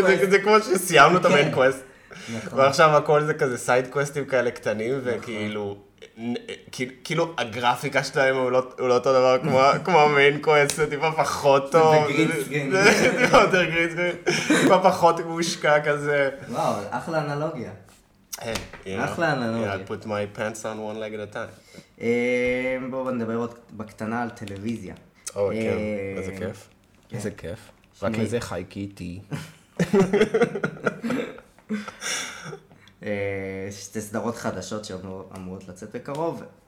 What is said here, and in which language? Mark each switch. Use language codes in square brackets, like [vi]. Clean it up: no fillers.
[he] זה כמו שסיימנו את המיין קווסט, ועכשיו הכל זה כזה סייד קווסטים כאלה קטנים, וכאילו, כאילו הגרפיקה שלהם הוא לא אותו דבר כמו המיין קווסט, זה טיפה פחות טוב, זה יותר גרינסקרין, טיפה פחות מושקע כזה. וואו, אחלה אנלוגיה. [en] Hey, you know, yeah, I put my pants on one leg at a time. [he] בואו נדבר עוד בקטנה על טלוויזיה. או, כן, איזה כיף. איזה כיף. רק לזה חייקי איתי. שתי סדרות חדשות שאמורות לצאת בקרוב.